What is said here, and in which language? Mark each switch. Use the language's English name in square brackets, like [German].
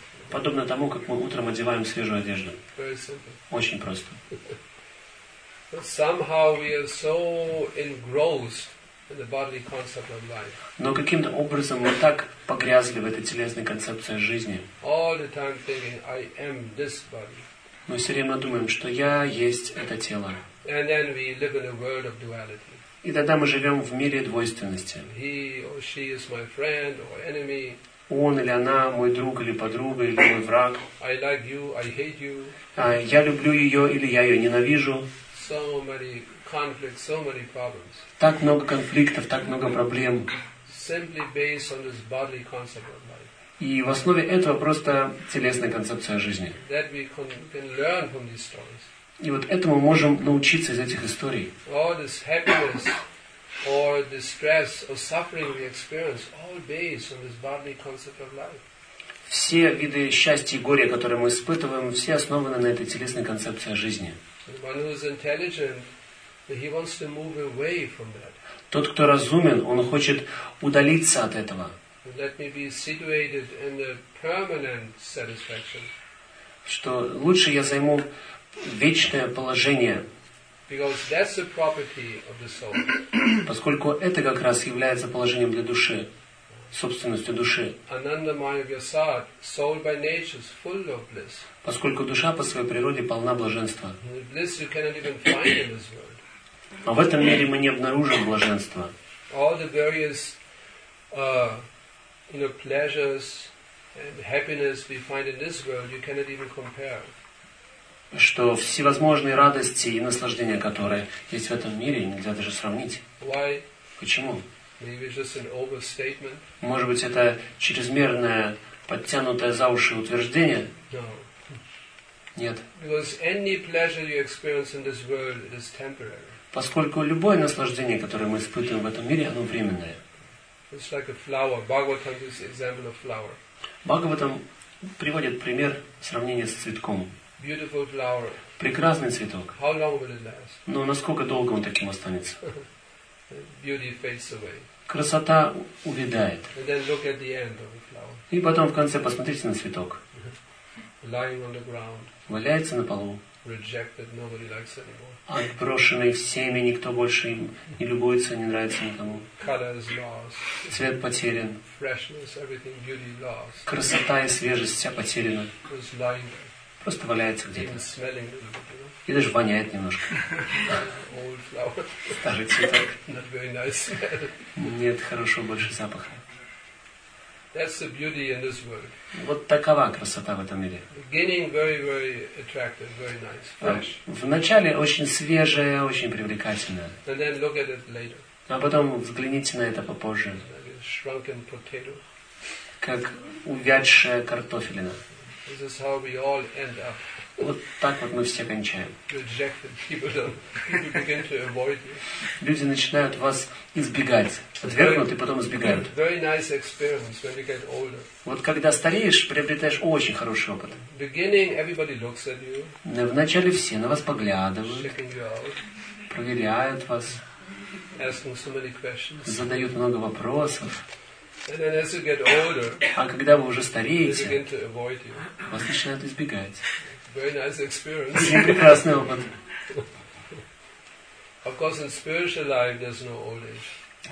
[Russian] Подобно тому, как мы утром одеваем свежую одежду. Очень просто. [English] Somehow we are so engrossed. The bodily concept of life. [Russian] Но каким-то образом мы так погрязли в этой телесной концепции жизни. [English] All the time thinking, I am this body. [Russian] Мы все время думаем, что я есть это тело. [English] And then we live in a world of duality. [Russian] И тогда мы живем в мире двойственности. [English] He or she is my friend or enemy. [Russian] Он или она мой друг или подруга или мой враг. [English] I like you, I hate you. [Russian] Я люблю ее или я ее ненавижу. [English] So many conflicts, so many problems. [Russian] Так много конфликтов, так много проблем. [English] Simply based on this bodily concept of life. [Russian] И в основе этого просто телесная концепция жизни. [English] That we can learn from these stories. [Russian] И вот этому можем научиться из этих историй. [English] All this happiness or distress or suffering we experience, all based on this bodily concept of life. [Russian] Все виды счастья и горя, которые мы испытываем, все основаны на этой телесной концепции жизни. [English] One who is intelligent, he wants to move away from that. [Russian] Тот, кто разумен, он хочет удалиться от этого. [English] Let me be situated in the permanent satisfaction. [Russian] Что лучше я займу вечное положение. [English] Because that's the property of the soul. [Russian] Поскольку это как раз является положением для души, собственностью души. [Sanskrit] Ananda Maya Vyasad, [English] soul by nature is full of bliss. [Russian] Поскольку душа по своей природе полна блаженства. [English] Bliss you cannot even find in this world. [Russian] А в этом мире мы не обнаружим блаженства. [English] All the various, you know, pleasures and happiness we find in this world, you cannot even compare. [Russian] Что всевозможные радости и наслаждения, которые есть в этом мире, нельзя даже сравнить. [English] Why? [Russian] Почему? [English] Maybe it's just an overstatement. [Russian] Может быть, это чрезмерное подтянутое за уши утверждение? [English] No. [Russian] Нет. [English] Because any pleasure you experience in this world is temporary. [Russian] Поскольку любое наслаждение, которое мы испытываем в этом мире, оно временное. [English] It's like a flower. Bhagavatam is an example of flower. [Russian] Bhagavatam приводит пример сравнения с цветком. [English] Beautiful flower. [Russian] Прекрасный цветок. [English] How long will it last? [Russian] Но насколько долго он таким останется? [English] Beauty fades away. [Russian] Красота увядает. [English] And then look at the end of the flower. [Russian] И потом в конце посмотрите на цветок. [English] Lying on the ground. [Russian] Валяется на полу. [English] Rejected, nobody likes anymore. [Russian] Отброшенный всеми, никто больше им не любуется, не нравится никому. [English] Color is lost. [Russian] Цвет потерян. [English] Freshness, everything, beauty lost. [Russian] Красота и свежесть вся потеряна. [English] Just lying there. [Russian] Просто валяется где-то. [English] Even smelling a little bit, you know? [Russian] И даже воняет немножко. [English] Old flower. [Russian] Старый цветок. [English] Not very nice smell. [Russian] Нет хорошего больше запаха. [English] That's the beauty in this world. [Russian] Вот такова красота в этом мире. [English] Beginning very, very attractive, very nice, fresh. [Russian] Вначале очень свежее, очень привлекательное. [English] And then look at it later. [Russian] А потом взгляните на это попозже. [English] Like a shrunken potato. [Russian] Как увядшая картофелина. [English] This is how we all end up. [Russian] Вот так вот мы все кончаем. [English] Rejected people don't. People begin to avoid you. [Russian] Люди начинают вас избегать. Отвергнут и потом избегают. [English] Very nice experience when you get older. [Russian] Вот когда стареешь, приобретаешь очень хороший опыт. [English] Beginning everybody looks at you. [Russian] Вначале все на вас поглядывают. [English] Checking you out. [Russian] Проверяют вас. [English] Asking so many questions. [Russian] Задают много вопросов. [English] And then as you get older, [Russian] а когда вы уже стареете, [English] they begin to avoid you. [Russian] Вас начинают избегать. [English] Very nice experience. [Russian] Очень прекрасный опыт. [English] Of course, in spiritual life there's no old age.